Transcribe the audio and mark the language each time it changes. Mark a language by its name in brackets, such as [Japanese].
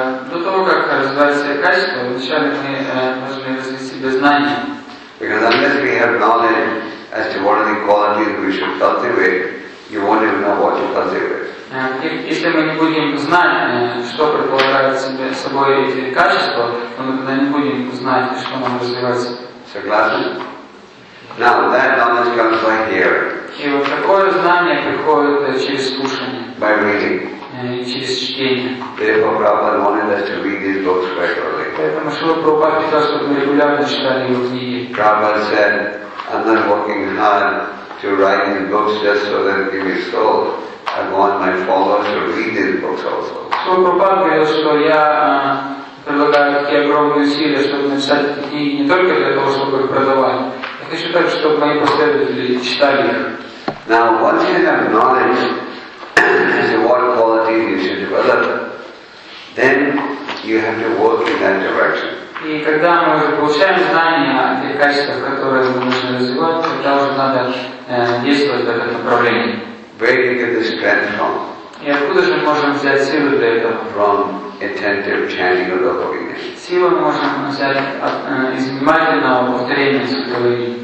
[Russian] До того как развиваются качества, вначале мы должны развить себе знания. [English] Because unless we have knowledge as to what are the qualities we should cultivate, you won't even know what to cultivate. [Russian] Если мы не будем знать, что предполагают себе собой эти качества, мы тогда не будем знать, что нам развиваться. Согласен? [English] Now that knowledge comes by hearing. [Russian] И вот такое знание приходит через слушание. [English] By reading. [Russian] Через чтение. [English] Therefore, Prabhupada wanted us to read these books regularly. [Russian] Поэтому Шрила Прабхупада хотел, чтобы мы регулярно читали его книги. [English] Prabhupada said, I'm not working hard to write these books just so that they be sold. I want my followers to read these books also. [Russian] Шрила Прабхупада говорил, что я предлагаю такие огромные усилия, чтобы написать эти книги не только для того, чтобы их продавать. Хочу так, чтобы мои последователи читали их. [English] Now, once you have knowledge as to what qualities you should develop, then you have to work in that direction. [Russian] И когда мы получаем знания о тех качествах, которые мы должны развивать, тогда уже надо действовать в этом направлении. [English] Where do you get the strength from? [Russian] И откуда же мы можем взять силу для этого? [English] From attentive chanting of the Holy Name. [Russian] Силу мы можем взять из внимательного повторения Святого Имени.